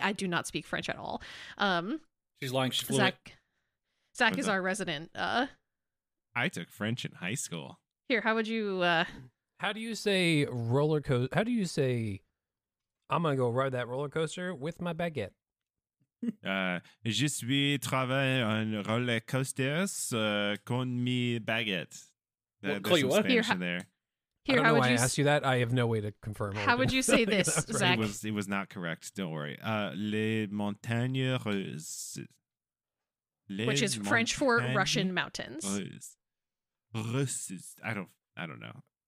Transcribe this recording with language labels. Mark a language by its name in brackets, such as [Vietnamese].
[French] I do not speak French at all. [English] She's lying. She's fluent. Zach is our resident. I took French in high school. Here, how would you? How do you say roller coaster? How do you say I'm gonna go ride that roller coaster with my baguette? [French] Je suis travaille en roller coasters [Spanish] con mi [French] baguette. [English] I don't know why I asked you that. I have no way to confirm. How would you say this, Zach? Right. It was not correct. Don't worry. [French] Les montagnes russes. [English] Which is French for Russian mountains. Russes. I don't know.